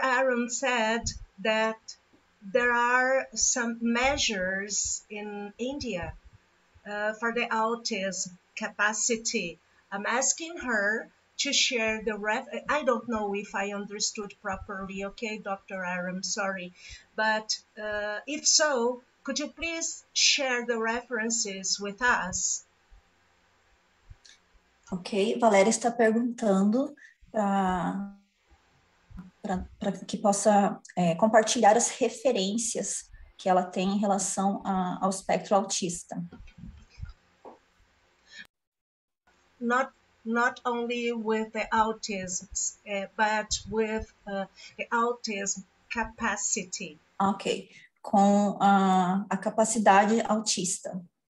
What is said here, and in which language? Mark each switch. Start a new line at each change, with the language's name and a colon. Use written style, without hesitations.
English: Aaron said that there are some measures in India for the autism capacity. I'm asking her to share the ref. I don't know if I understood properly, okay, Dr. Aram, sorry. But if so, could you please share the references with us?
Portuguese: Okay, Valeria está perguntando para que possa compartilhar as referências que ela tem em relação ao espectro autista.
English: Not only with the autism, but with the autism capacity.
Portuguese: Okay. com a capacidade autista.